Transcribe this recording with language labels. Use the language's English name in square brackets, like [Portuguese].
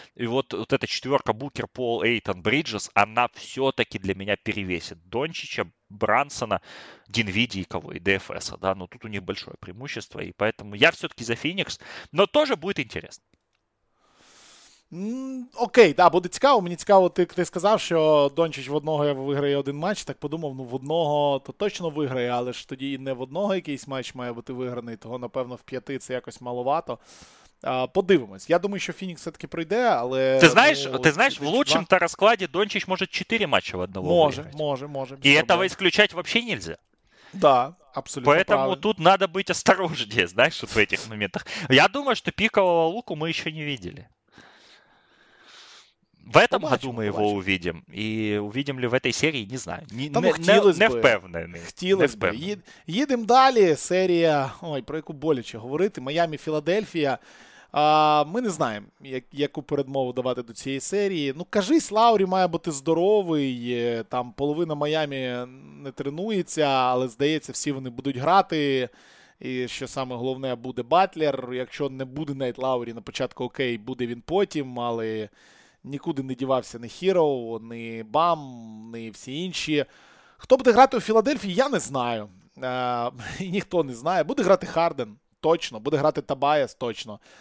[Russian] И вот эта четверка Букер, Пол, Эйтон, Бриджес, она все-таки для меня перевесит Дончича, Брансона, Динвиди и кого, и ДФСа. Да? Но тут у них большое преимущество, и поэтому я все-таки за Феникс, но тоже будет интересно. [Ukrainian] Окей, да, буде цікаво. Мені цікаво, ти сказав, що Дончич в одного виграє один матч. Так подумав, ну в одного то точно виграє, але ж тоді не в одного якийсь матч має бути виграний. Того, напевно, в п'яти це якось маловато. Подивимось. Я думаю, що Фінікс все-таки пройде, але... Ти знаєш, в лучшому та розкладі Дончич може 4 матчі в одного може, виграти. Може. І цього ісключати взагалі не можна. Да, абсолютно. [Russian] Поэтому правильно. [Ukrainian] Тут надо бути осторожнее, знаєш, в цих моментах. Я думаю, що пікового луку ми ще [Russian] не видели. В этом году мы его увидим. И увидим ли в этой серии, не знаю. [Ukrainian] Не впевнений. Їдемо далі. Серія, ой, про яку боляче говорити. Майамі-Філадельфія. Ми не знаємо, яку передмову давати до цієї серії. Ну, кажись, Лаурі має бути здоровий. Там половина Майамі не тренується, але, здається, всі вони будуть грати. І що саме головне, буде Батлер. Якщо не буде Нейт Лаурі на початку, окей, буде він потім, але... Нікуди не дівався ні Hero, ні Bam, ні всі інші. Хто буде грати у Філадельфії, я не знаю. Ніхто не знає. Буде грати Harden, точно. Буде грати Tobias, точно.